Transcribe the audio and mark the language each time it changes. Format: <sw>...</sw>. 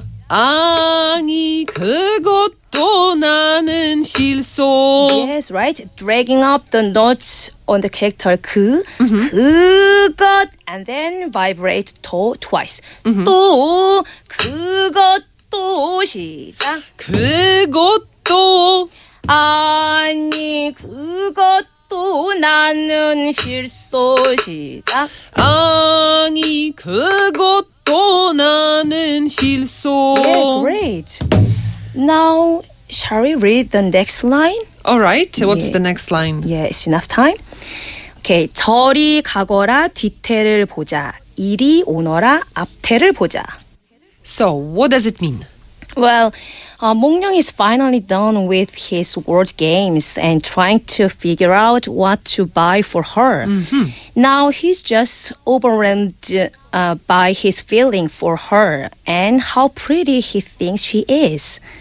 <ko>아니, 그것도 또 나는 실수</ko> <en>Yes, right. Dragging up the notes on the character 그 mm-hmm. 그것 and then vibrate 도 twice. Mm-hmm.</en> <ko>또 그것도 시작 그것도 아니 그것도 나는 실수 시작 아니 그것도 나는 실수</ko> <en>Yeah, great. Now shall we read the next line? All right. What's the next line? Yeah, it's enough time. Okay.</en> <ko>저리 가거라 뒤태를 보자. 이리 오너라 앞태를 보자.</ko> <en>So, what does it mean? Well, Mongyang is finally done with his word games and trying to figure out what to buy for her. Mm-hmm. Now he's just overwhelmed by his feeling for her and how pretty he thinks she is.</en>